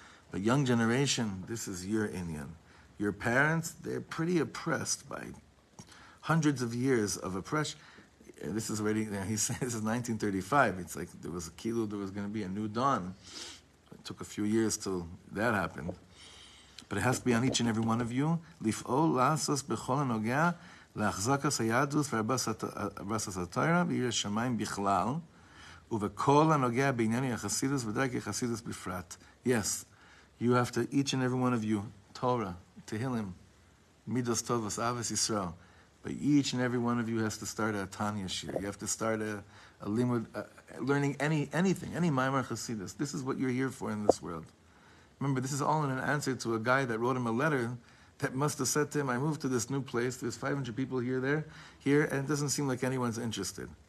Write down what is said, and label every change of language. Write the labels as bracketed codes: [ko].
[en] But young generation, this is your inyan. Your parents, they're pretty oppressed by hundreds of years of oppression. This is already, you know, he says, this is 1935. It's like there was a kilu, there was going to be a new dawn. It took a few years till that happened. But it has to be on each and every one of you. [he] Lifol lasos bechol anogea. להחזקת היהדות ורבסת התורה ויראי השמיים בכלל ובכל הנוגע בעניין החסידות ודרכי החסידות בפרט. [en] Yes, you have to, each and every one of you, Torah, Tehillim, Midos Tovos, Avos Yisrael, but each and every one of you has to start a Tanya Shir. You have to start a limud, learning anything, any Maimar Chasidus. This is what you're here for in this world. Remember, this is all in an answer to a guy that wrote him a letter that must have said to him, I moved to this new place, there's 500 people here, and it doesn't seem like anyone's interested.